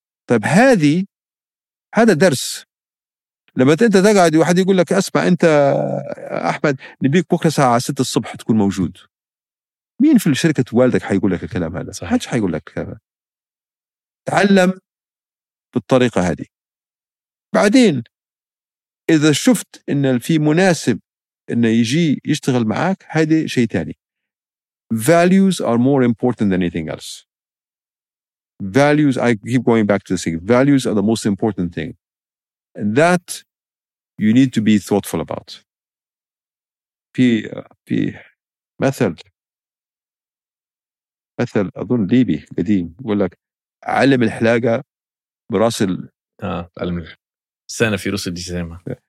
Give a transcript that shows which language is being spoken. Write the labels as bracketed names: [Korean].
[Arabic] طيب هذا درس. لما أنت تقعد واحد يقول لك أسمع أنت أحمد نبيك بكرة ساعة 6 الصبح تكون موجود، مين في الشركة والدك حيقول لك الكلام هذا؟ صحيح. حاجة حيقول لك الكلام. تعلم بالطريقة هذه، بعدين إذا شفت أن في مناسب أنه يجي يشتغل معك هذا شيء تاني. [English] Values are more important than anything else. Values, I keep going back to the thing. Values are the most important thing. And that you need to be thoughtful about. [Arabic] في مثل أظن ليبي قديم يقول لك علم الحلاقة براس علم السنة في رأس الديسيما.